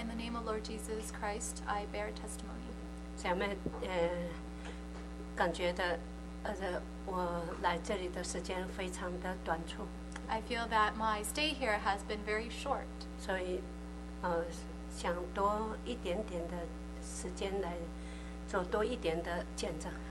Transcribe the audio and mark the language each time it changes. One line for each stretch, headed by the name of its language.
English: In the name of Lord Jesus Christ, I bear testimony.
Chinese: 姐妹，感觉的，我来这里的时间非常的短促。
English: I feel that my stay here has been very short.
Chinese: 所以，想多一点点的时间来做多一点的见证。